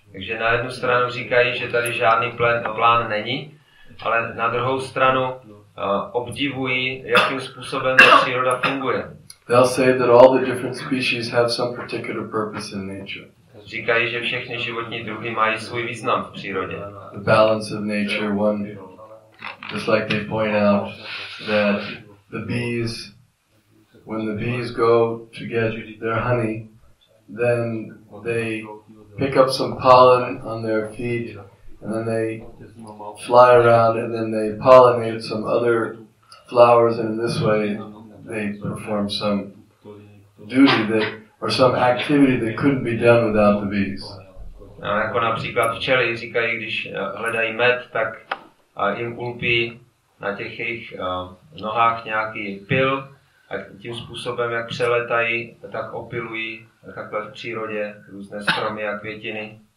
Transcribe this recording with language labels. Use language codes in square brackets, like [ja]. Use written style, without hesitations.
[cs] Takže na jednu stranu říkají, že tady žádný plán není, ale na druhou stranu obdivují, jakým způsobem ta příroda funguje. [en] They'll say that all the different species have some particular purpose in nature. [cs] Říkají, že všechny životní druhy mají svůj význam v přírodě. [en] The balance of nature, one, just like they point out that the bees, when the bees go to get their honey, then they pick up some pollen on their feet, and then they fly around, and then they pollinate some other flowers, and in this way they perform some duty that, or some activity that couldn't be done without the bees. [cs] No, jako například včely říkají, když hledají med, tak jim ulpí na těch jejich nohách nějaký pil, a tím způsobem, jak přelétají, tak opilují takhle v přírodě různé stromy a květiny.